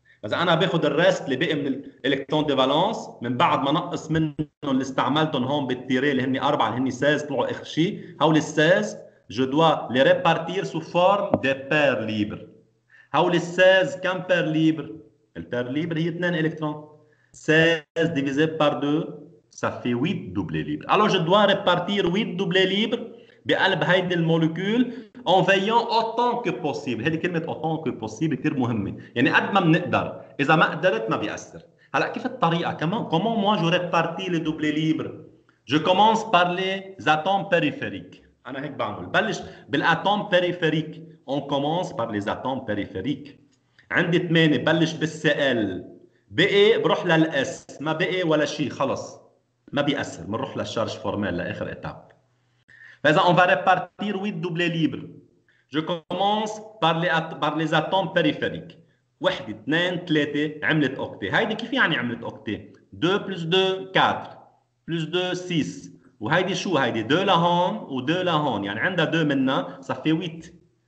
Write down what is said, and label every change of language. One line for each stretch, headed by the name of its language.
French: Parce que
Arabic: انا باخذ الريست اللي بقي من الالكترون دي فالونس من بعد ما نقص منهم اللي استعملتهم هون بالتيري اللي هن 4 اللي هن 16 طلعوا اخر شيء، هول ال 16
French: je dois les répartir sous forme de paires libres.
Arabic: هول ال 16 كم بير ليبر؟ البير ليبر هي 2 الكترون.
French: 16 divisé par 2 ça fait 8 doublés libres. Alors je dois répartir 8 doublés libres
Arabic: بقلب هيدي المولكيول
French: en veillant autant que possible.
Arabic: هذه كلمه
French: autant que possible
Arabic: كثير مهمه، يعني قد ما بنقدر. اذا ما قدرت ما بيأثر. هلا كيف الطريقه كمان؟
French: comment moi je répartis les doublés libres؟ je commence par les atomes périphériques.
Arabic: انا هيك بعمل، بلش بالاتوم بيريفيريك.
French: on commence par les atomes périphériques.
Arabic: عندي 8 بلش بالسي ال، بقي بروح للاس، ما بقي ولا شيء خلص ما بيأثر، بنروح للشارج فورمال لاخر ايتاب.
French: فإذا on va répartir 8 doublés libres. Je commence par les atomes périphériques.
Arabic: واحدة، اثنين، ثلاثة، عملت أوكتي. هيدي كيف يعني عملت أوكتي؟ 2 plus 2 4 plus 2 6. وهيدي شو؟ هيدي 2 لهون و 2 لهون، يعني عندها 2 منها صافي 8.